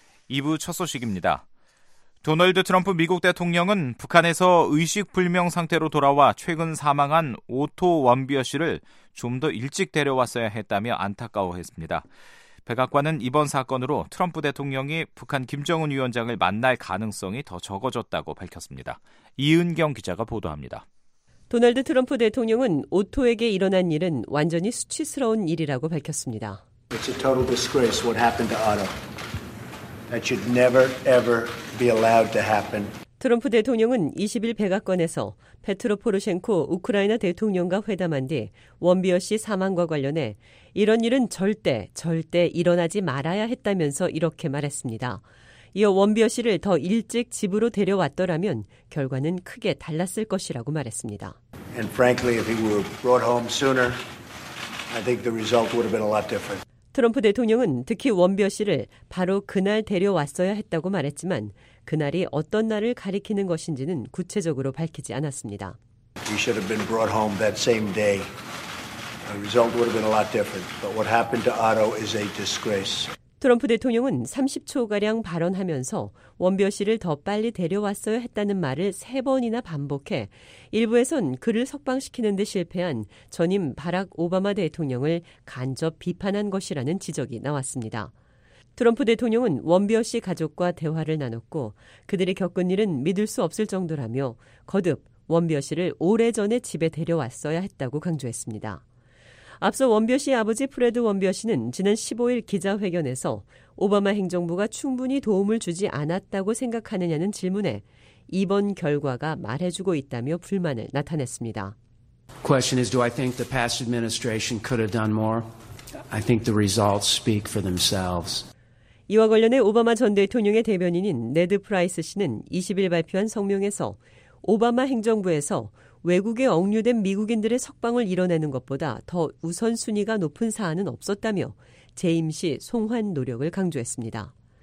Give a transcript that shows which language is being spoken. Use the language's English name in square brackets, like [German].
[Korean] 2부 첫 소식입니다. 도널드 트럼프 미국 대통령은 북한에서 의식불명 상태로 돌아와 최근 사망한 오토 원비어 씨를 좀 더 일찍 데려왔어야 했다며 안타까워했습니다. 백악관은 이번 사건으로 트럼프 대통령이 북한 김정은 위원장을 만날 가능성이 더 적어졌다고 밝혔습니다. 이은경 기자가 보도합니다. 도널드 트럼프 대통령은 오토에게 일어난 일은 완전히 수치스러운 일이라고 밝혔습니다. [English] It's a total disgrace what happened to Otto. That should never ever be allowed to happen. [Korean] 트럼프 대통령은 20일 백악관에서 페트로 포로셴코 우크라이나 대통령과 회담한 뒤 원비어 씨 사망과 관련해 이런 일은 절대 일어나지 말아야 했다면서 이렇게 말했습니다. 이어 원비어 씨를 더 일찍 집으로 데려왔더라면 결과는 크게 달랐을 것이라고 말했습니다. [English] And frankly, if he were brought home sooner, I think the result would have been a lot different. [Korean] 트럼프 대통령은 특히 원비어 씨를 바로 그날 데려왔어야 했다고 말했지만 그날이 어떤 날을 가리키는 것인지는 구체적으로 밝히지 않았습니다. [English] He should have been brought home that same day. The result would have been a lot different. But what happened to Otto is a disgrace. [Korean] 트럼프 대통령은 30초가량 발언하면서 원비어 씨를 더 빨리 데려왔어야 했다는 말을 3번이나 반복해 일부에선 그를 석방시키는 데 실패한 전임 바락 오바마 대통령을 간접 비판한 것이라는 지적이 나왔습니다. 트럼프 대통령은 원비어 씨 가족과 대화를 나눴고 그들이 겪은 일은 믿을 수 없을 정도라며 거듭 원비어 씨를 오래전에 집에 데려왔어야 했다고 강조했습니다. 앞서 원비어 씨 아버지 프레드 원비어 씨는 지난 15일 기자회견에서 오바마 행정부가 충분히 도움을 주지 않았다고 생각하느냐는 질문에 이번 결과가 말해주고 있다며 불만을 나타냈습니다. [English] Question is, do I think the past administration could have done more? I think the results speak for themselves. [Korean] 이와 관련해 오바마 전 대통령의 대변인인 네드 프라이스 씨는 20일 발표한 성명에서 오바마 행정부에서 외국에 억류된 미국인들의 석방을 이뤄내는 것보다 더 우선순위가 높은 사안은 없었다며 재임 시 송환 노력을 강조했습니다.